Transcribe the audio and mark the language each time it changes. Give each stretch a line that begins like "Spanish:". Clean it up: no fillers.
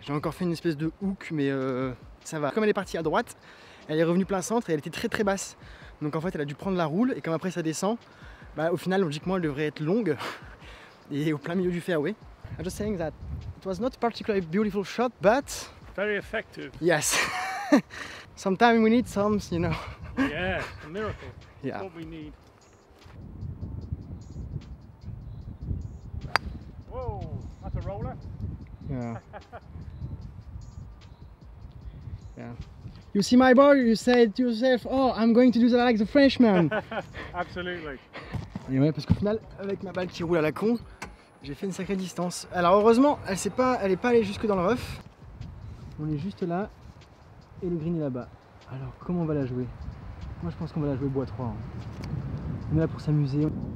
French: J'ai encore fait une espèce de hook, mais ça va. Comme elle est partie à droite, elle est revenue plein centre et elle était très très basse. Donc en fait, elle a dû prendre la roule et comme après ça descend, bah au final logiquement elle devrait être longue et au plein milieu du fairway.
English: I'm just saying that. It was not a particularly beautiful shot, but... Very effective. Yes. Sometimes we need some, you know. Yeah, a miracle. Yeah. What we need. Whoa, that's a roller. Yeah. Yeah. You see my ball, you said to yourself, oh, I'm going to do that like the Frenchman. Absolutely.
French: Et ouais, parce qu'au final, avec ma balle qui roule à la con, j'ai fait une sacrée distance. Alors heureusement, elle n'est pas allée jusque dans le rough. On est juste là et le green est là-bas. Alors comment on va la jouer? Moi je pense qu'on va la jouer bois 3. Hein. On est là pour s'amuser.